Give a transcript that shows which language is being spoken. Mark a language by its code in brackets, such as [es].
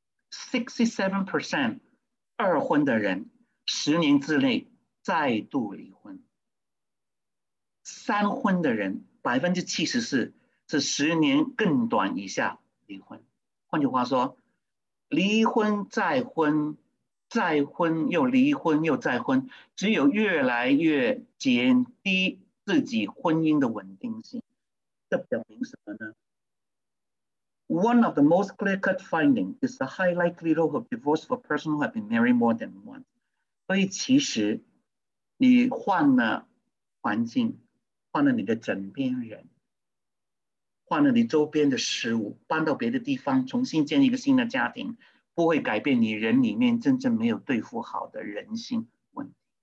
[zh] 67% 二婚的人10年之内再度离婚，三婚的人74%是10年更短以下离婚。换句话说，离婚再婚，再婚又离婚又再婚，只有越来越减低自己婚姻的稳定性。这表明什么呢？ [en] One of the most clear-cut findings is the high likelihood of divorce for persons who have been married more than once。 [zh] 所以其实，你换了环境，换了你的枕边人，换了你周边的事物，搬到别的地方，重新建立一个新的家庭，不会改变你人里面真正没有对付好的人性问题。